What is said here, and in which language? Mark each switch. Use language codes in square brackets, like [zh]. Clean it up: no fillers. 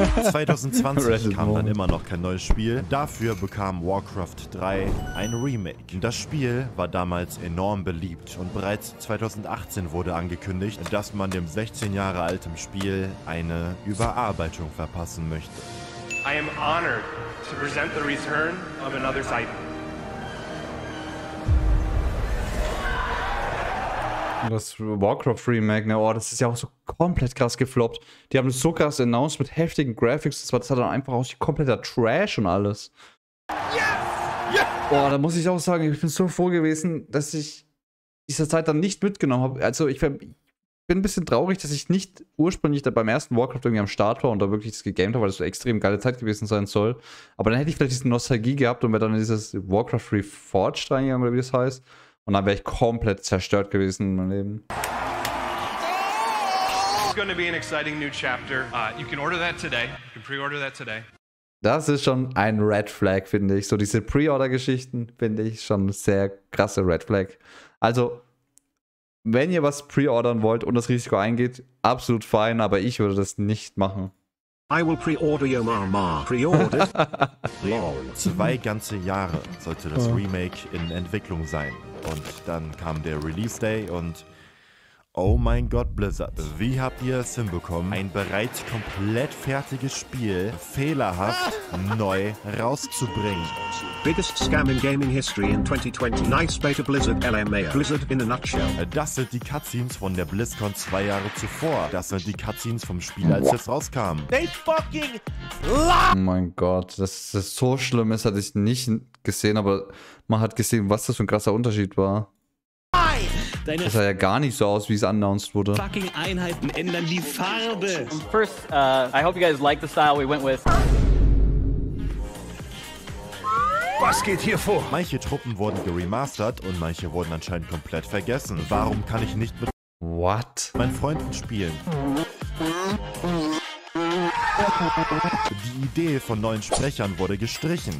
[de] 2020 Reddit kam dann immer noch kein neues Spiel. Dafür bekam Warcraft 3 ein Remake. Das Spiel war damals enorm beliebt und bereits 2018 wurde angekündigt, dass man dem 16 Jahre alten Spiel eine Überarbeitung verpassen möchte. [en] I am honored to present the return of another title. [de] Das Warcraft Remake, ne? Oh, das ist ja auch so komplett krass gefloppt. Die haben das so krass announced mit heftigen Graphics. Das sah dann einfach aus wie kompletter Trash und alles. [en] Yes! Yes! [de] Oh, da muss ich auch sagen, ich bin so froh gewesen, dass ich dieser Zeit dann nicht mitgenommen habe. Also ich bin ein bisschen traurig, dass ich nicht ursprünglich beim ersten Warcraft irgendwie am Start war und da wirklich das gegamed habe, weil das so extrem geile Zeit gewesen sein soll. Aber dann hätte ich vielleicht diese Nostalgie gehabt und wäre dann in dieses Warcraft Reforged reingegangen, oder wie das heißt. Und dann wäre ich komplett zerstört gewesen in meinem Leben. [en] It's going to be an exciting new chapter. You can order that today. You can pre-order that today. [de] Das ist schon ein Red Flag, finde ich. So diese Pre-Order-Geschichten finde ich schon sehr krasse Red Flag. Also, wenn ihr was pre-ordern wollt und das Risiko eingeht, absolut fein, aber ich würde das nicht machen. [en] I will pre-order your mama. Pre-ordered? Lol. [de] 2 ganze Jahre sollte das Remake in Entwicklung sein. Und dann kam der Release-Day und... Oh mein Gott, Blizzard. Wie habt ihr es hinbekommen, ein bereits komplett fertiges Spiel fehlerhaft neu rauszubringen? [en] Biggest scam in gaming history in 2020. Nice beta Blizzard LMAO. Blizzard in a nutshell. [de] Das sind die Cutscenes von der BlizzCon 2 Jahre zuvor. Das sind die Cutscenes vom Spiel, als es rauskam. [en] They fucking [de] lie! Oh mein Gott, das ist so schlimm. Das hatte ich nicht gesehen, aber man hat gesehen, was das für ein krasser Unterschied war. Das sah ja gar nicht so aus, wie es announced wurde. Fucking Einheiten ändern die Farbe. [en] First, I hope you guys like the style we went with. [de] Was geht hier vor? Manche Truppen wurden geremastert und manche wurden anscheinend komplett vergessen. Warum kann ich nicht mit [en] What? [de] Meinen Freunden spielen? Die Idee von neuen Sprechern wurde gestrichen.